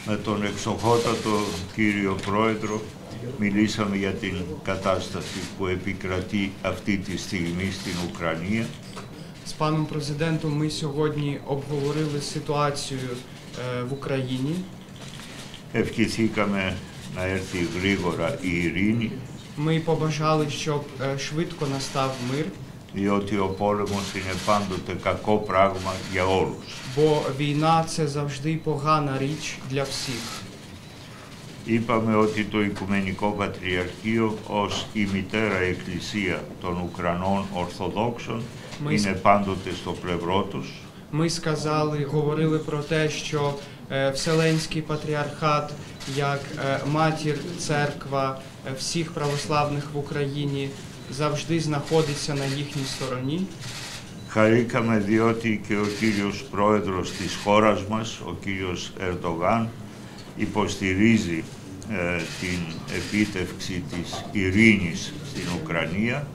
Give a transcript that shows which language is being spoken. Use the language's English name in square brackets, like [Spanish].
[Greek] Με τον εξοχότατο κύριο πρόεδρο μιλήσαμε για την κατάσταση που επικρατεί αυτή τη στιγμή στην Ουκρανία. [Ukrainian] З паном президентом ми сьогодні обговорили ситуацію в Україні. [Greek] Ευχηθήκαμε να έρθει γρήγορα η ειρήνη. [Ukrainian] Ми побажали, щоб швидко настав мир. [Greek] Διότι ο πόλεμος είναι πάντοτε κακό πράγμα για όλους. [Ukrainian] Бо війна – це завжди погана річ для всіх. [Greek] Είπαμε ότι το Οικουμενικό Πατριαρχείο ως η μητέρα Εκκλησία των Ουκρανών Ορθοδόξων είναι πάντοτε στο πλευρό τους. [Ukrainian] Ми сказали, говорили про те, що Вселенський Патріархат, як матір церква всіх православних в Україні, завжди знаходиться на їхній стороні. [Greek] Χαρήκαμε διότι και ο κύριος πρόεδρος της χώρας μας, ο κύριος Ερντογάν, υποστηρίζει την επίτευξη της ειρήνης στην Ουκρανία.